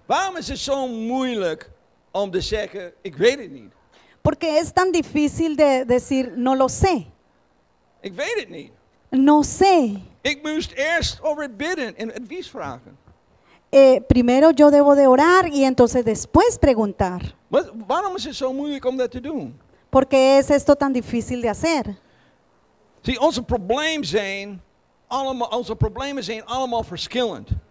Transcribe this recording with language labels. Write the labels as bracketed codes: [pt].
[nl] Waarom is het zo moeilijk om te zeggen, ik weet het niet? [es] Porque es tan difícil de decir no lo sé. [nl] Ik weet het niet. [es] No sé. [nl] Ik moest eerst over het bidden en advies vragen. [es] Primero yo debo de orar y entonces después preguntar. [nl] Waarom is het zo moeilijk om dat te doen? [es] Porque es esto tan difícil de hacer. [nl] See, onze problemen zijn allemaal verschillend.